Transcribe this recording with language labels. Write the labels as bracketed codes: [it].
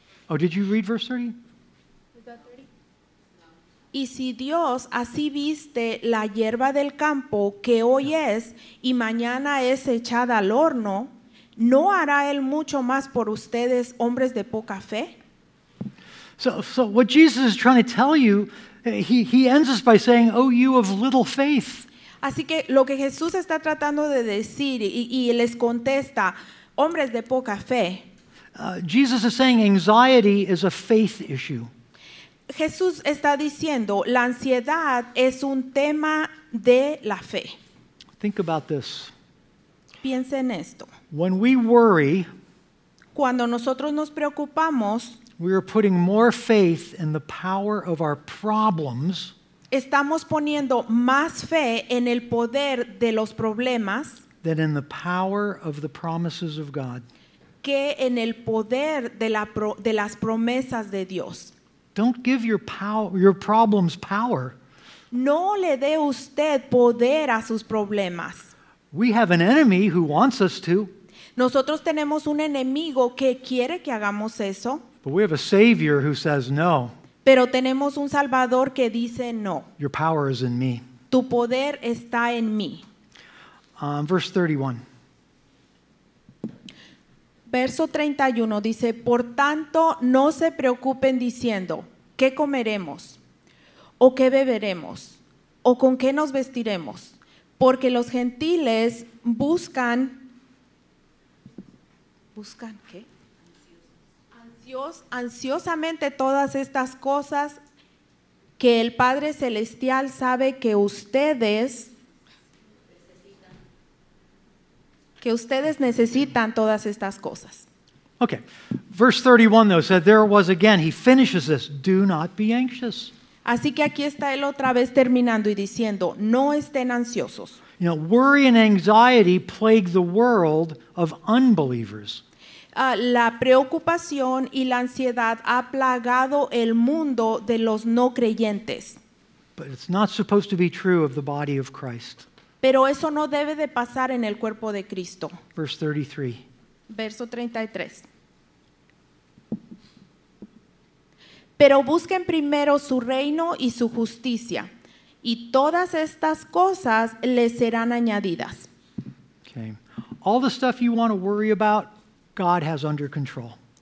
[en] Did you read verse 30? Is that 30? [es] Y si Dios así viste la hierba del campo que hoy es y mañana es echada al horno, ¿no hará él mucho más por ustedes, hombres de poca fe? [en] So what Jesus is trying to tell you, he ends us by saying, "Oh, you of little faith." [es] Así que lo que Jesús está tratando de decir y les contesta, hombres de poca fe. [en] Jesus is saying anxiety is a faith issue. [es] Jesús está diciendo, la ansiedad es un tema de la fe. [en] Think about this. [es] Piensa en esto. [en] When we worry, [es] cuando nosotros nos preocupamos, [en] we are putting more faith in the power of our problems. [es] Estamos poniendo más fe en el poder de los problemas [en] than in the power of the promises of God. [es] Que en el poder de las promesas de Dios. [en] Don't give your problems power. [es] No le dé usted poder a sus problemas. [en] We have an enemy who wants us to. [es] Nosotros tenemos un enemigo que quiere que hagamos eso. [en] But we have a Savior who says no. [es] Pero tenemos un Salvador que dice no. [en] Your power is in me. [es] Tu poder está en mí. [en] Verse 31. [es] Verso 31 dice, por tanto, no se preocupen diciendo, ¿qué comeremos? ¿O qué beberemos? ¿O con qué nos vestiremos? Porque los gentiles buscan, ¿buscan qué? Ansiosamente todas estas cosas que el Padre Celestial sabe que ustedes necesitan todas estas cosas. [en] Okay. Verse 31 though said there was again. He finishes this. Do not be anxious. [es] Así que aquí está él otra vez terminando y diciendo, no estén ansiosos. [en] You know, worry and anxiety plague the world of unbelievers. [es] La preocupación y la ansiedad ha plagado el mundo de los no creyentes. [en] But it's not supposed to be true of the body of Christ. [es] Pero eso no debe de pasar en el cuerpo de Cristo. Verso 33. Pero busquen primero su reino y su justicia, y todas estas cosas les serán añadidas. [en] Okay. All the stuff you want to worry about, God has under control.